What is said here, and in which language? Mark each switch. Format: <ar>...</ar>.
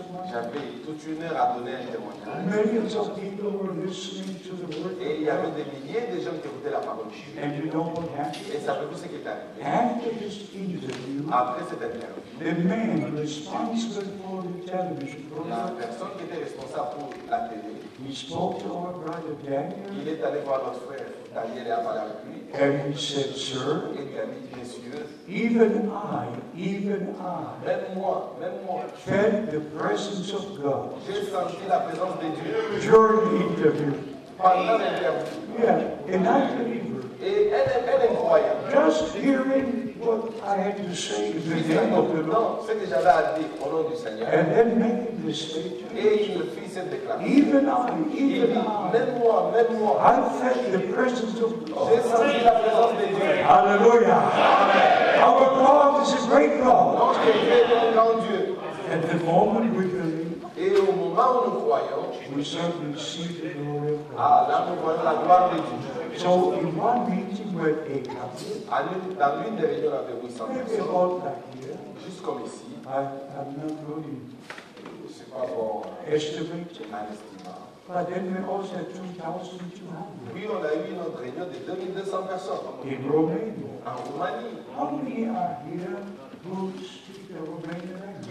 <fr>J'avais toute une heure à donner un témoignage.</fr> <en>Millions of people were listening to the word.</en> <fr>Et il y avait des milliers de gens qui écoutaient la parole.</fr> <en>And you know what happened?</en> <fr>Et savez-vous ce qui est arrivé?</fr> <en>After this interview,</en> <fr>après cette interview,</fr> <en>the man responsible for the television program,</en> <fr>responsable pour la télé.</fr> <en>He spoke to our</en> <fr>il est allé voir notre frère Daniel et a parlé avec lui.</fr> <en>And he said, sir,</en> <fr>et il a dit, monsieur,</fr> <en>even I,</en> <fr>même moi,</fr> <en>felt the presence of God.</en> <fr>J'ai senti la présence de Dieu</fr> <en>during the interview.</en> <fr>Pendant l'interview.</fr> <en>Yeah, and I believe.</en> <fr>Elle est croyante.</fr> <en>Just hearing what I had to say in the name of the Lord.</en> <fr>Ce que j'avais à dire au nom du Seigneur.</fr> <en>And then making the statement.</en> <fr>Et il fit cette déclaration.</fr> <en>Even I. I felt the presence of God.</en> <fr>J'ai senti la présence de Dieu.</fr> <en>Hallelujah. Amen. Our God is a great God.</en> <fr>Notre Dieu est un grand Dieu.</fr> <en>At the moment we believe.</en> <fr>Et au moment où nous croyons.</fr> <en>We certainly see the glory of God.</en> <fr>Ah, là nous voyons la gloire de Dieu.</fr> <en>So in one meeting with a couple,</en> <fr>dans l'une des réunions avec 800 personnes, juste comme ici,</fr> <en>I'm not really,</en> <fr>c'est pas bon,</fr> <en>estimate,</en> <fr>un estimat.</fr> <en>But then we also had 2,200.</en> <fr>Oui, on a eu une autre réunion de 2,200 personnes.</fr> <en>In Romania,</en> <fr>en Roumanie.</fr> <en>How many are here who speak the Romanian language?</en>